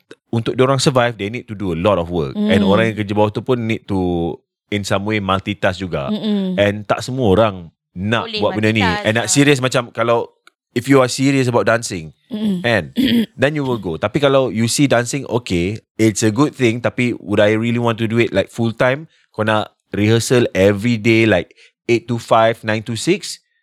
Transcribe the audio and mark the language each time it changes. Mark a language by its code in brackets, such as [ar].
[ms] Untuk diorang [en] survive, they need to do a lot of work. [ms] And orang yang kerja bawah tu pun [en] need to in some way multitask [ms] juga. And tak semua orang nak boleh buat benda ni. [en] And [ms] nak [en] serious [ms] macam, kalau [en] if you are serious about dancing, and then you will go. [ms] Tapi kalau [en] you see dancing, okay, it's a good thing. [ms] Tapi [en] would I really want to do it like full time? [ms] Kau nak [en] rehearsal every day like 8 to 5, 9 to 6?